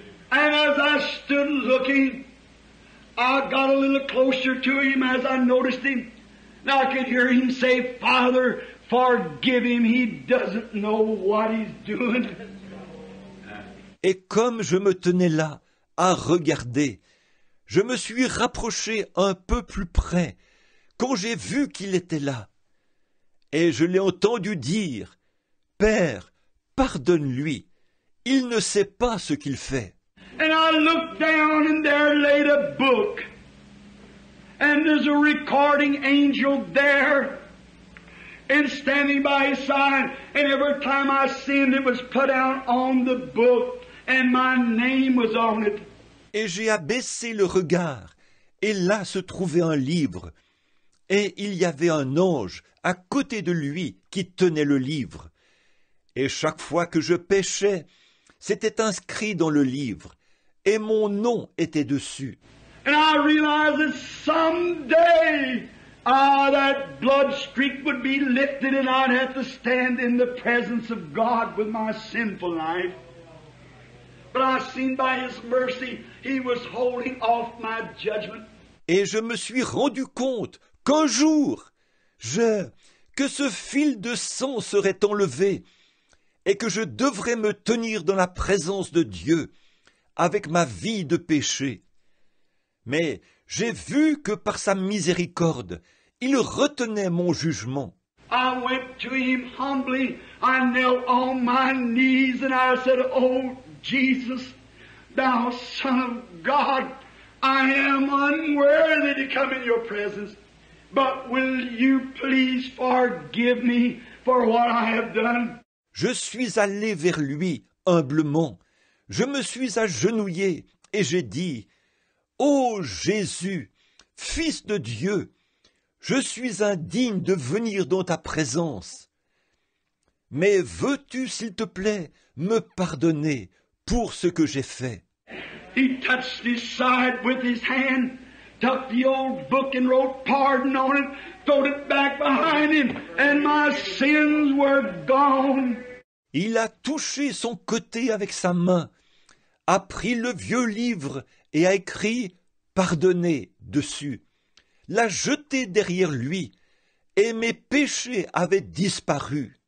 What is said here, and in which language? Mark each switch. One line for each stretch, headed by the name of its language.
English: And as I stood looking, I got a little closer to him as I noticed him. And I could hear him say, Father, forgive him, he doesn't know what he's doing.
French: Et comme je me tenais là à regarder, je me suis rapproché un peu plus près quand j'ai vu qu'il était là. Et je l'ai entendu dire, « Père, pardonne-lui, il ne sait pas ce qu'il fait. »
English: And I looked down and there laid a book. And there's a recording angel there. And standing by his side. And every time I sinned, it was put out on the book. And my name was on it.
French: Et j'ai abaissé le regard, et là se trouvait un livre. Et il y avait un ange à côté de lui qui tenait le livre. Et chaque fois que je péchais, c'était inscrit dans le livre, et mon nom était dessus.
English: And I realized that someday, that blood streak would be lifted and I'd have to stand in the presence of God with my sinful life. But I seen by his mercy, he was holding off my judgment.
French: Et je me suis rendu compte qu'un jour, que ce fil de sang serait enlevé et que je devrais me tenir dans la présence de Dieu avec ma vie de péché. Mais j'ai vu que par sa miséricorde, il retenait mon jugement.
English: I went to him humbly, I knelt on my knees and I said, oh, Jesus, thou Son of God, I am unworthy to come in your presence, but will you please forgive me for what I have done?
French: Je suis allé vers lui humblement. Je me suis agenouillé et j'ai dit, ô Jésus, Fils de Dieu, je suis indigne de venir dans ta présence. Mais veux-tu, s'il te plaît, me pardonner pour ce que j'ai fait?
English: He touched his side with his hand, took the old book and wrote pardon on it, threw it back behind him, and my sins were gone.
French: Il a touché son côté avec sa main, a pris le vieux livre et a écrit pardonner dessus, l'a jeté derrière lui, et mes péchés avaient disparu.